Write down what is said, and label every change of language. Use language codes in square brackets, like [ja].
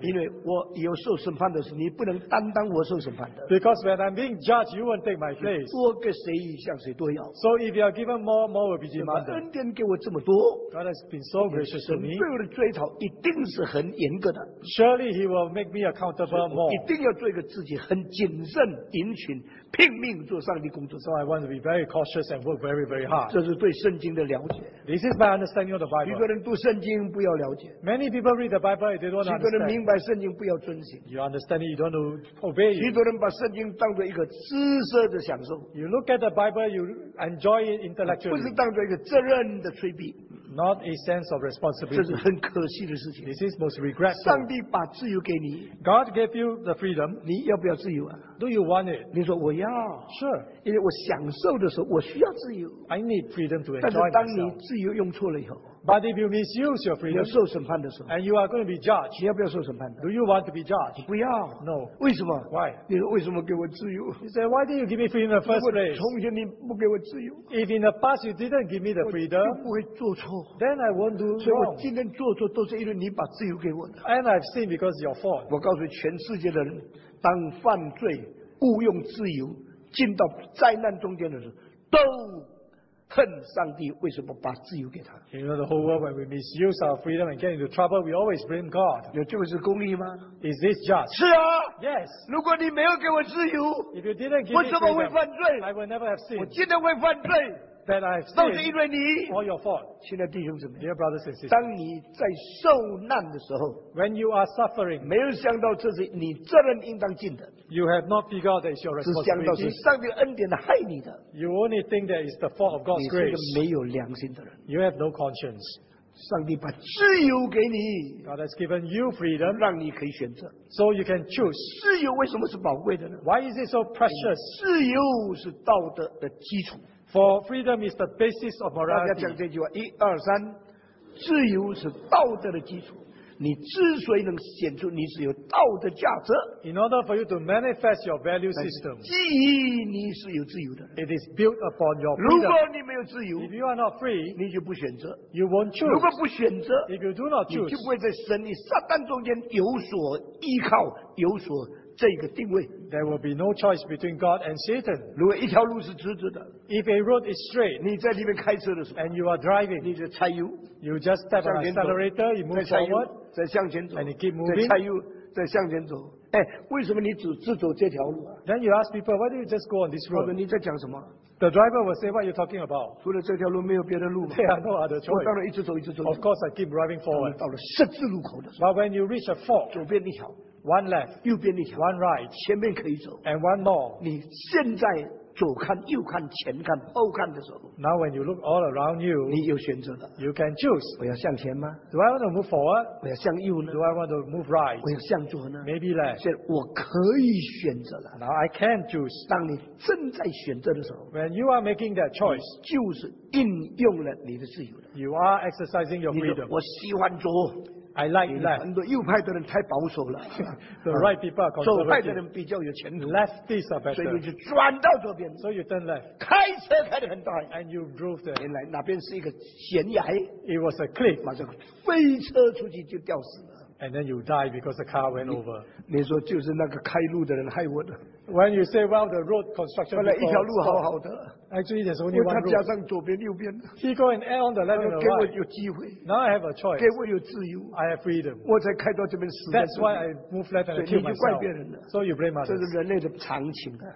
[zh] 因为我有受审判的时候，你不能担当我受审判的。 [en] Because when I'm being judged, you won't take my place. [zh] 多给谁一项，谁多要。 [en] So if you are given more, more will be given. [zh] 恩典给我这么多。 [en] God has been so gracious to me. [zh] 对我的追讨一定是很严格的。 [en] Surely He will make me accountable more. [zh] 一定要做一个自己很谨慎、殷勤、拼命做上帝工作。 [en] So I want to be very cautious and work very, very hard. [zh] 这是对圣经的了解。 [en] This is my understanding. [zh] 一个人读圣经不要了解。 [en] Many people read the Bible and they don't understand. [zh] 许多人明白圣经不要遵行。 [en] You understand it, you don't obey it. [zh] 许多人把圣经当作一个姿色的享受。 [en] You look at the Bible, you enjoy it intellectually. [zh] 不是当作一个责任的催逼。 [en] Not a sense of responsibility. [zh] 这是很可惜的事情。 [en] This is most regretful. [zh] 上帝把自由给你。 [en] God gave you the freedom. [zh] 你要不要自由啊？ [en] Do you want it? [zh] 你说我要。 [en] Sure. [zh] 因为我享受的时候，我需要自由。 [en] I need freedom to enjoy myself. [zh] 但是当你自由用错了以后。 [en] But if you misuse your freedom, [zh] 你要受审判的时候。 [en] And you are going to be judged. [zh] 你要不要受审判的？ [en] Do you want to be judged? [zh] 不要。 [en] No. [zh] 为什么？ [en] Why? [zh] 你说为什么给我自由？ [en] You say, why did you give me freedom in the first place? [zh] 从前你不给我自由。 [en] If in the past you didn't give me the freedom, [zh] 我就不会做错。 [en] Then I won't do wrong. [zh] 所以我今天做错都是因为你把自由给我的。 [en] And I've sinned because of your fault. [zh] 我告诉全世界的人。当犯罪误用自由进到灾难中间的时候，都恨上帝为什么把自由给他。 [en] You know the whole world when we misuse our freedom and get into trouble, we always blame God. [zh] 有这个是公义吗？ [en] Is this just? [zh] 是啊。 [en] Yes. [zh] 如果你没有给我自由， [en] If you didn't give me freedom, [zh] 我怎么会犯罪？ [en] I will never have sinned. [zh] 我今天会犯罪。 [en] That I've sinned. [zh] 都是因为你。 [en] All your fault. [zh] 亲爱的弟兄姊妹。 [en] Dear brothers and sisters. [zh] 当你在受难的时候。 [en] When you are suffering. [zh] 没有想到这是你责任应当尽的。 [en] You have not figured out that it's your responsibility. [zh] 只想到是上帝恩典的害你的。 [en] You only think that it's the fault of God's grace. [zh] 你是一个没有良心的人。 [en] You have no conscience. [zh] 上帝把自由给你。 [en] God has given you freedom. [zh] 让你可以选择。 [en] So you can choose. [zh] 自由为什么是宝贵的呢？ [en] Why is it so precious? [zh] 自由是道德的基础。 [en] For freedom is the basis of morality. [zh] 大家讲这句话，一二三，自由是道德的基础。你之所以能显出你是有道德价值 [en] ，In order for you to manifest your value system， [zh] 基于你是有自由的。 [en] It is built upon your freedom. [zh] 如果你没有自由 [en] ，If you are not free， [zh] 你就不选择 [en] ，You won't choose. [zh] 如果不选择 [en] ，If you do not choose， [zh] 你就不会在神与撒旦中间有所依靠，有所。这个定位 [en] ，There will be no choice between God and Satan. [zh] 如果一条路是直直的 [en] ，If a road is straight， [zh] 你在里面开车的时候 [en] ，And you are driving， [zh] 你就踩油 [en] ，You just step on the accelerator， you move forward， [zh] 再向前走 [en] ，And you keep moving， [zh] 再踩油，再向前走。 [en] 哎，为什么你只走这条路 [zh] ？Then you ask people why do you just go on this road？ [en] 或者你在讲什么 [zh] ？The driver will say what you're talking about。 [en] 除了这条路没有别的路吗 [zh] ？There are no other choice。 [en] 我当然一直走一直走。 [zh] Of course I keep driving forward。 [en] 到了十字路口的时候 [zh] ，But when you reach a fork， [en] 左边一条。 [zh] One left, [en] 右边一条 [zh] ，One right, [en] 前面可以走 [zh] ，And one more. [en] 你现在左看右看前看后看的时候 [zh] ，Now when you look all around you, [en] 你有选择了 [zh] ，You can choose. [en] 我要向前吗 [zh] ？Do I want to move forward? [en] 我要向右呢 [zh] ？Do I want to move right? [en] 我要向左呢 [zh] ？Maybe left. [en] 现在我可以选择了 [zh] ，Now I can choose. [en] 当你正在选择的时候 [zh] ，When you are making that choice, [en] 就是应用了你的自由了 [zh] ，You are exercising your freedom. [en] 我喜欢左。 [zh] I like that. [en] 很多右派的人太保守了。 [zh] The right people are conservative. [en] 左派的人比较有前途。 [zh] Lefties are better. [en] 所以你就转到左边。 [zh] So you turn left. [en] 开车开得很快。 [zh] And you drove there. [en] 原来那边是一个悬崖。 [zh] It was a cliff. [en] 马上飞车出去就掉死了。 [zh] And then you die because the car went over. [en] 你说就是那个开路的人害我的。 [zh] When you say, well, the road construction. [en] 本来一条路好好的。 [zh] Actually, there's only one road. [en] 他加上左边右边。 [zh] He go and add on the left and the right. [en] 给我有机会。 [zh] Now I have a choice. [en] 给我有自由。 [zh] I have freedom. [en] 我才开到这边死。 [zh] That's why I move left and kill myself. [en] 你就怪别人了。 [zh] So you blame others. 这是人类的常情啊。